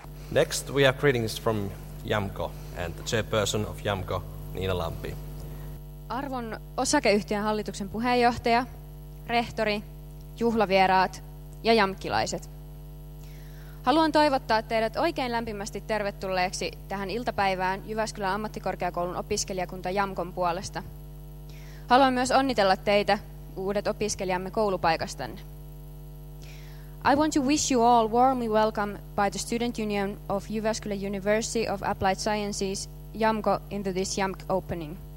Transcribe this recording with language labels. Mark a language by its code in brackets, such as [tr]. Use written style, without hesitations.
[en] Next, we have greetings from JAMKO and the chairperson of JAMKO, Niina Lampi. [fi] Arvon osakeyhtiön hallituksen puheenjohtaja, rehtori, juhlavieraat ja jamkkilaiset. Haluan toivottaa teidät oikein lämpimästi tervetulleeksi tähän iltapäivään Jyväskylän ammattikorkeakoulun opiskelijakunta JAMKOn puolesta. Haluan myös onnitella teitä uudet opiskelijamme koulupaikastanne. [en] I want to wish you all warmly welcome by the Student Union of Jyväskylä University of Applied Sciences, JAMKO, into this JAMK opening.